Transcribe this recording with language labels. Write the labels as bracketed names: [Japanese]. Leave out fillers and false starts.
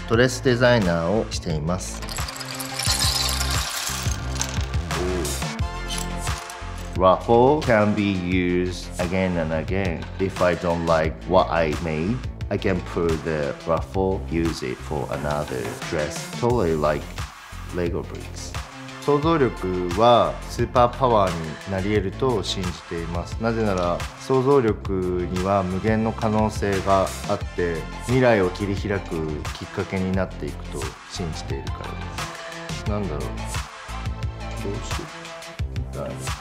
[Japanese] ドレスデザイナーをしています。 [English] Ruffle can be used again and again. If I don't like what I made, I can pull the ruffle, use it for another dress. Totally like Lego bricks. [Japanese] 想像力はスーパーパワーになり得ると信じています。なぜなら想像力には無限の可能性があって、未来を切り開くきっかけになっていくと信じているからです。なんだろう、どうしよう、